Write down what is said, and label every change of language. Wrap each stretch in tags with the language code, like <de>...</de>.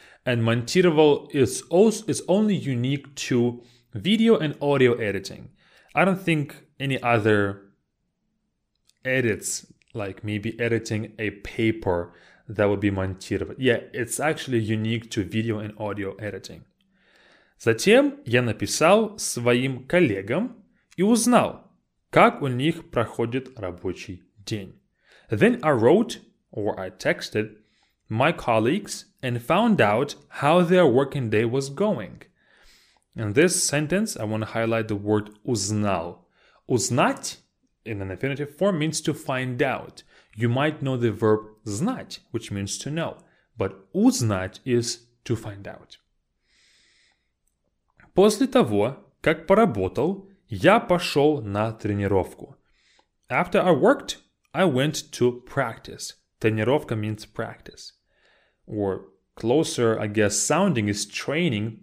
<en>And монтировал is only unique to video and audio editing. I don't think any other edits, like maybe editing a paper, that would be монтировать. Yeah, it's actually unique to video and audio editing.</en> <ru>Затем я написал своим коллегам и узнал, как у них проходит рабочий день.</ru> <en>Then I wrote, or I texted, my colleagues and found out how their working day was going. In this sentence, I want to highlight the word узнал. Узнать in an infinitive form means to find out. You might know the verb знать, which means to know. But узнать is to find out.</en> <ru>После того, как поработал, я пошел на тренировку.</ru> <en>After I worked, I went to practice. Тренировка means practice. Or closer, I guess, sounding is training.</en>